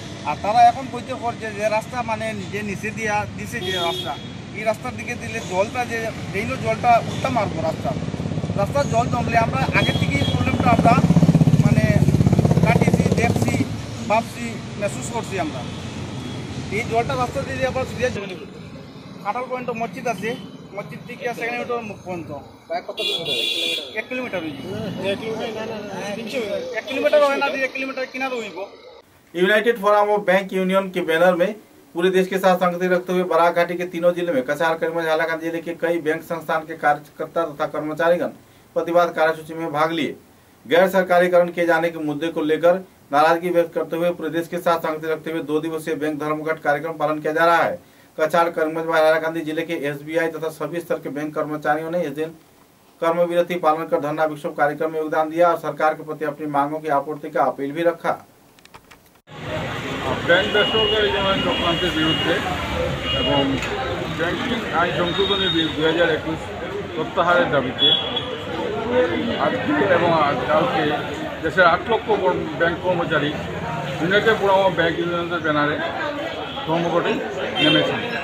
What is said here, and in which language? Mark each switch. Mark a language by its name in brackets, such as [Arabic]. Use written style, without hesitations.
[Bangla] আর তারা এখন কইতে করছে যে রাস্তা মানে যে নিচে দিয়া দিছে যে রাস্তা এই রাস্তার দিকে দিলে জলটা যে ড্রেন জলটা উঠতে মারবো রাস্তা, রাস্তার জল জমলে আমরা আগের থেকেই প্রবলেমটা আমরা মানে কাটিছি দেখছি ভাবছি মেসুস করছি আমরা এই জলটা রাস্তা দিয়ে আবার সিরিয়া চলে গেল। কাটাল পয়েন্ট মসজিদ আছে মসজিদ থেকে আর সেখানে ওটা মুখ পর্যন্ত প্রায় কত কিলোমিটার? এক কিলোমিটার হইব। এক কিলোমিটার? এক কিলোমিটার হয় না, এক কিলোমিটার কিনা তো হইব। [Hindi] United forum of bank union के बैनर में पूरे देश के साथ संगति रखते हुए बराक घाटी के तीनों जिले में कसार कर्मा झालाकांद जिले के कई बैंक संस्थान के कार्यकर्ता तथा कर्मचारीगण प्रतिवाद कार्यसूची में भाग लिए। गैर सरकारीकरण किए जाने के मुद्दे को लेकर नाराजगी व्यक्त करते हुए पूरे देश के साथ संगति रखते हुए दो दिवसीय बैंक धर्मघट कार्यक्रम पालन किया जा रहा है। कसार कर्मा झालाकांद जिले के SBI तथा सभी स्तर के बैंक कर्मचारियों ने इस दिन कर्म विरति पालन कर धरना विक्षोभ कार्यक्रम में योगदान दिया और सरकार के प्रति अपनी मांगों की आपूर्ति का अपील भी रखा। [Bangla] ব্যাংক ব্যবসায়ীদের জমা চক্রান্তের বিরুদ্ধে এবং ব্যাংকিং আইন সংশোধনের বিরুদ্ধে 2021 প্রত্যাহারের দাবিতে আজকে এবং কালকে দেশের 8 লক্ষ ব্যাংক কর্মচারী ইউনাইটেড ফোরাম অফ ব্যাংক ইউনিয়নের ব্যানারে কর্মঘটে নেমেছেন।